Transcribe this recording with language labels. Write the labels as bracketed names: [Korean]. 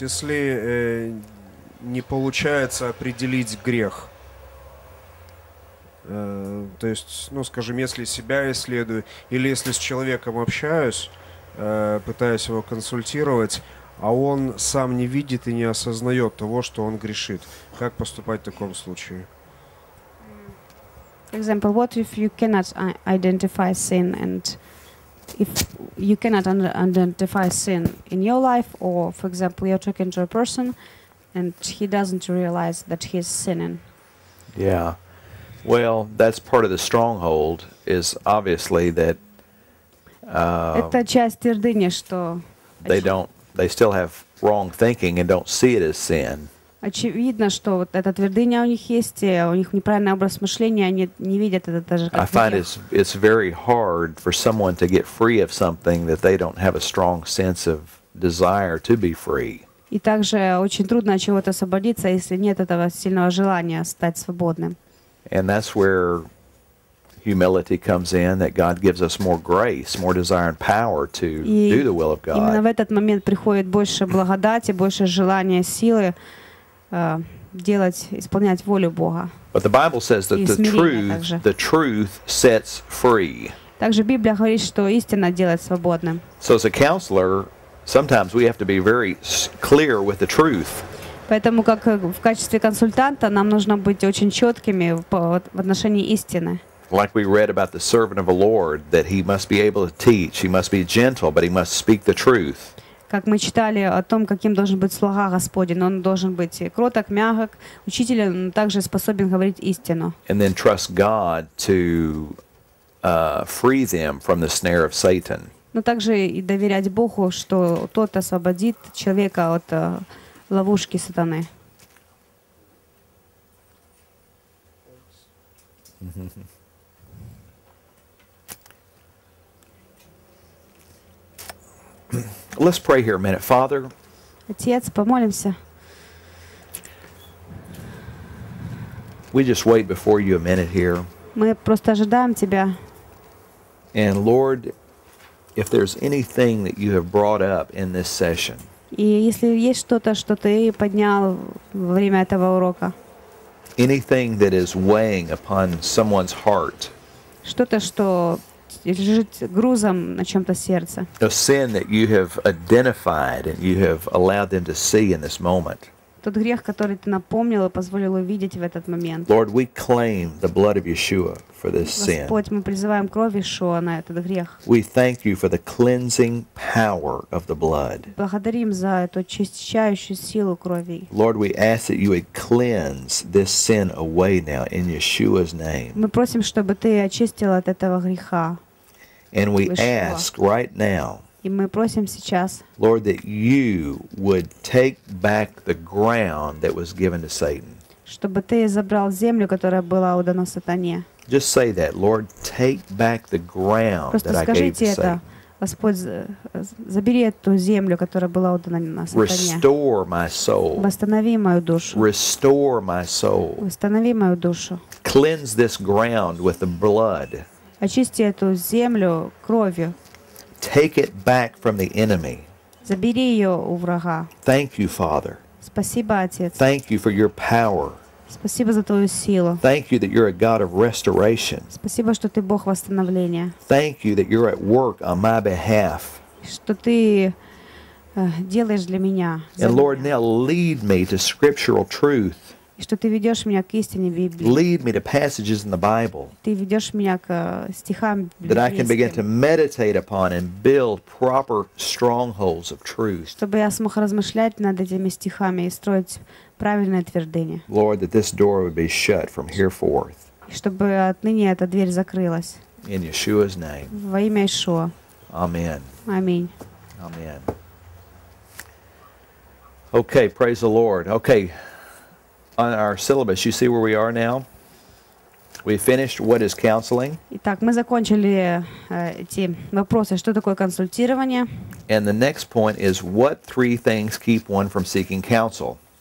[Russian] Если не получается определить грех, то есть, ну, скажем, если себя исследую, или если с человеком общаюсь, пытаюсь его консультировать, а он сам не видит и не осознает того, что он грешит, как поступать в таком случае? [English] For example, what if you cannot identify sin, and if you cannot identify sin in your life, or for example, you're talking to a person and he doesn't realize that he's sinning? Yeah. Well, that's part of the stronghold, is obviously that [Russian] это часть твердыни, что [English] they still have wrong thinking and don't see it as sin. [Russian] Очевидно, что вот эта твердыня у них есть, у них неправильный образ мышления, они не видят это даже как грех. [English] I find it's very hard for someone to get free of something that they don't have a strong sense of desire to be free. [Russian] И также очень трудно от чего-то освободиться, если нет этого сильного желания стать свободным. [English] And that's where humility comes in, that God gives us more grace, more desire and power to do the will of God. [Russian] Именно в этот момент приходит больше благодати, больше желания, силы делать, исполнять волю Бога. [English] But the Bible says that the truth sets free. [Russian] Также Библия говорит, что истина делает свободным. [English] So as a counselor, sometimes we have to be very clear with the truth. [Russian] Поэтому как в качестве консультанта нам нужно быть очень четкими в отношении истины. [English] Like we read about the servant of the Lord, that he must be able to teach, he must be gentle, but he must speak the truth. [Russian] Как мы читали о том, каким должен быть слуга Господень, он должен быть кроток, мягок, учителен, но также способен говорить истину. [English] And then trust God to free them from the snare of Satan. [Russian] Но также и доверять Богу, что тот освободит человека от ловушки сатаны. [English] Let's pray here a minute, Father. [Russian] Отец, помолимся. [English] We just wait before you a minute here. [Russian] Мы просто ожидаем тебя. [English] And Lord, if there's anything that you have brought up in this session. [Russian] И если есть что-то, что ты поднял во время этого урока. [English] Anything that is weighing upon someone's heart. [Russian] Что-то, что лежит грузом на чем-то сердце. [English] A sin that you have identified and you have allowed them to see in this moment. [Russian] Тот грех, который ты напомнил и позволил увидеть в этот момент. [English] Lord, we claim the blood of Yeshua for this sin. [Russian] Господь, мы призываем кровь Иешуа на этот грех. [English] We thank you for the cleansing power of the blood. [Russian] Благодарим за эту очищающую силу крови. [English] Lord, we ask that you would cleanse this sin away now in Yeshua's name. [Russian] Мы просим, чтобы ты очистил от этого греха. [English] And we ask right now. [Russian] И мы просим сейчас. [English] Lord, that you would take back the ground that was given to Satan. [Russian] Чтобы ты забрал землю, которая была отдана сатане. [English] Just say that, Lord, take back the ground [Russian] просто [English] that I gave to [Russian] это, [English] Satan. [Russian] Господь, забери эту землю, которая была отдана на сатане. [English] Restore my soul. [Russian] Восстанови мою душу. [English] Restore my soul. [Russian] Восстанови мою душу. [English] Cleanse this ground with the blood. [Russian] Очисти эту землю кровью. [English] Take it back from the enemy. [Russian] Забери ее у врага. [English] Thank you, Father. [Russian] Спасибо, Отец. [English] Thank you for your power. [Russian] Спасибо за твою силу. [English] Thank you that you're a God of restoration. [Russian] Спасибо, что ты Бог восстановления. [English] Thank you that you're at work on my behalf. [Russian] Что ты делаешь для меня. [English] And Lord, now lead me to scriptural truth. [Russian] Что ты ведешь меня к истине Библии. [English] Lead me to passages in the Bible. [Russian] Ты ведешь меня к стихам библейским. [English] That I can begin to meditate upon and build proper strongholds of truth. [Russian] Чтобы я смог размышлять над этими стихами и строить правильное твердыни. [English] Lord, that this door would be shut from here forth. [Russian] Чтобы отныне эта дверь закрылась. [English] In Yeshua's name. [Russian] Во имя Иешуа. [English] Amen. [Russian] Аминь. [English] Amen. Okay, praise the Lord. Okay. On our syllabus, you see where we are now? We finished what is counseling. [Russian] Итак, мы закончили эти вопросы, что такое консультирование. [English] And the next point is what three things keep one from seeking counsel.